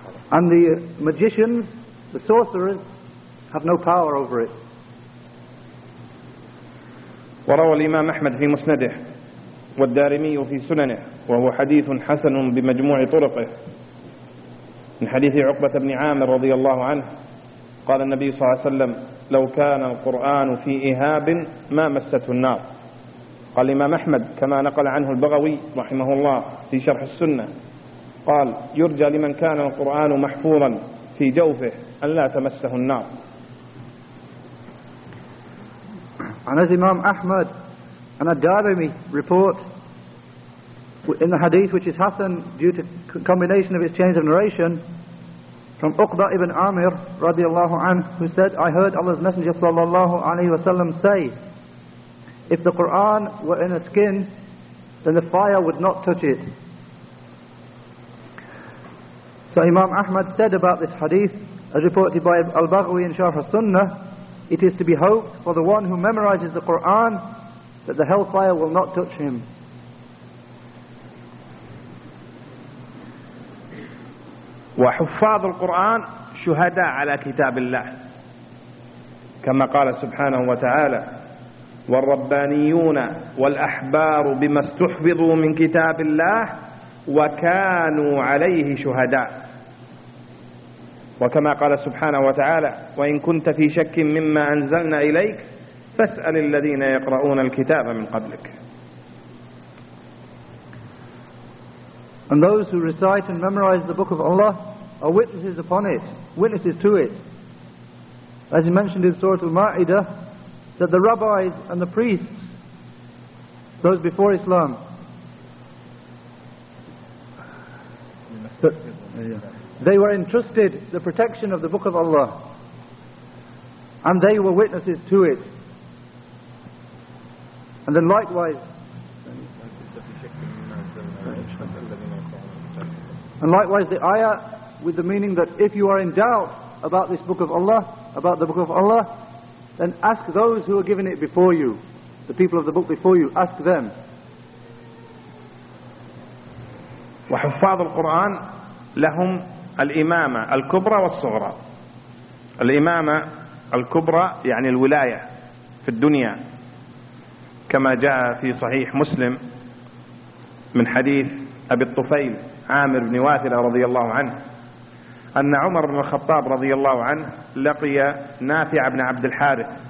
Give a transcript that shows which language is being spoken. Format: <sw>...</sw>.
<en>And the magicians, the sorcerers, have no power over it.</en> <ar>وروى الإمام أحمد في مسنده والدارمي في سننه وهو حديث حسن بمجموع طرقه من حديث عقبة بن عامر رضي الله عنه قال النبي صلى الله عليه وسلم لو كان القرآن في إهاب ما مسته النار. قال الإمام أحمد كما نقل عنه البغوي رحمه الله في شرح السنة قال يرجى لمن كان القرآن محفورا في جوفه أن لا تمسه النار.</ar> <en>Anas Imam Ahmad and Ad-Darimi report in the hadith, which is Hassan due to combination of its change of narration, from Uqba ibn Amir</en> <ar>radiallahu anhu,</ar> <en>who said, I heard Allah's Messenger</en> <ar>sallallahu alayhi wasallam</ar> <en>say, if the Quran were in a skin, then the fire would not touch it. So Imam Ahmad said about this hadith, as reported by Al-Baghawi in Sharh al-Sunnah, it is to be hoped for the one who memorizes the Qur'an that the hellfire will not touch him.</en> <ar>وَحُفَّاظُ الْقُرْآنِ شُهَدَى عَلَى كِتَابِ اللَّهِ كَمَا قَالَ سُبْحَانَهُ وَتَعَالَى وَالرَّبَّانِيُّونَ وَالْأَحْبَارُ بِمَا اسْتُحْفِظُوا مِنْ كِتَابِ اللَّهِ وَكَانُوا عَلَيْهِ شُهَدَى وكما قال سبحانه وتعالى وإن كنت في شك مما أنزلنا إليك فاسأل الذين يقرؤون الكتاب من قبلك.</ar> <en>And those who recite and memorize the book of Allah are witnesses upon it, witnesses to it. As he mentioned in Surah Al-Ma'idah, that the rabbis and the priests, those before Islam, they were entrusted the protection of the Book of Allah, and they were witnesses to it. And then likewise, the ayah with the meaning that if you are in doubt about this Book of Allah, about the Book of Allah, then ask those who are given it before you, the people of the book before you, ask them.</en> <ar>وحفاظ القرآن لهم الإمامة الكبرى والصغرى. الإمامة الكبرى يعني الولاية في الدنيا، كما جاء في صحيح مسلم من حديث أبي الطفيل عامر بن واثلة رضي الله عنه أن عمر بن الخطاب رضي الله عنه لقي نافع بن عبد الحارث</ar>